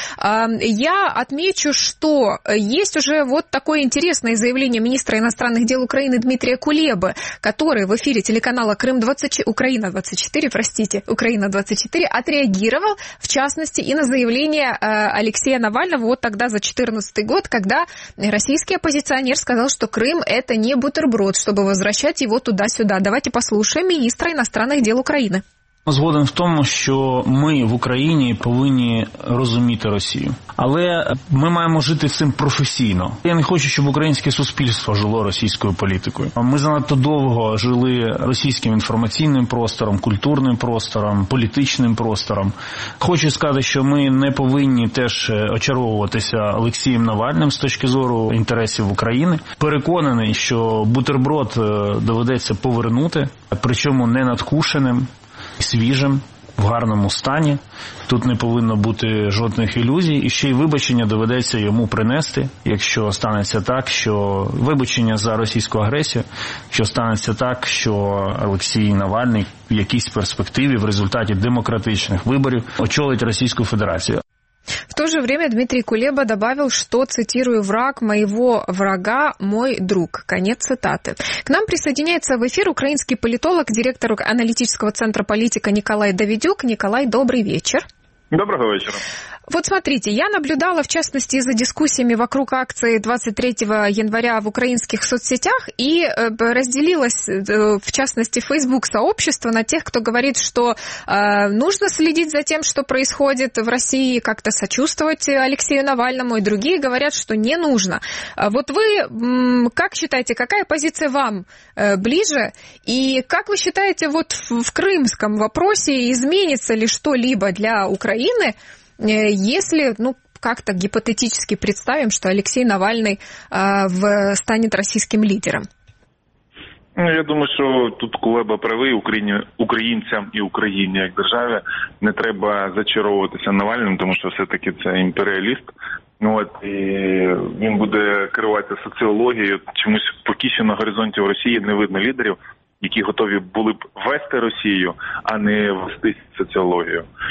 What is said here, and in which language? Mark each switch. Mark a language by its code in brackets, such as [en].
[ru] Я отмечу, что есть уже вот такое интересное заявление министра иностранных дел Украины Дмитрия Кулебы, который в эфире телеканала Украина-24 отреагировал, в частности, и на заявление Алексея Навального вот тогда, за 2014 год, когда российский оппозиционер сказал, что Крым – это не бутерброд, чтобы возвращать его туда-сюда. Давайте послушаем министра иностранных дел Украины. [uk] Згоден в тому, що ми в Україні повинні розуміти Росію. Але ми маємо жити цим професійно. Я не хочу, щоб українське суспільство жило російською політикою. Ми занадто довго жили російським інформаційним простором, культурним простором, політичним простором. Хочу сказати, що ми не повинні теж очаровуватися Олексієм Навальним з точки зору інтересів України. Переконаний, що бутерброд доведеться повернути, причому не надкушеним. Свіжим, в гарному стані, тут не повинно бути жодних ілюзій, і ще й вибачення доведеться йому принести, якщо станеться так, що вибачення за російську агресію, що станеться так, що Олексій Навальний в якійсь перспективі, в результаті демократичних виборів, очолить Російську Федерацію. [ru] В то же время Дмитрий Кулеба добавил, что, цитирую, «враг моего врага – мой друг». Конец цитаты. К нам присоединяется в эфир украинский политолог, директор аналитического центра «Политика» Николай Давидюк. Николай, добрый вечер. Доброго вечера. Вот смотрите, я наблюдала, в частности, за дискуссиями вокруг акции 23 января в украинских соцсетях и разделилась, в частности, Facebook-сообщество на тех, кто говорит, что нужно следить за тем, что происходит в России, как-то сочувствовать Алексею Навальному, и другие говорят, что не нужно. Вот вы как считаете, какая позиция вам ближе, и как вы считаете, вот в крымском вопросе изменится ли что-либо для Украины, если, ну, как-то гипотетически представим, что Алексей Навальный станет российским лидером? [uk] Ну, я думаю, що тут Кулеба правий. Українцям і Україні як державі не треба зачаровуватися Навальним, тому що все-таки це імперіаліст. Ну, от, і він буде керувати соціологією. Чомусь поки що на горизонті в Росії не видно лідерів, які готові були б вести Росію, а не вести соціологію.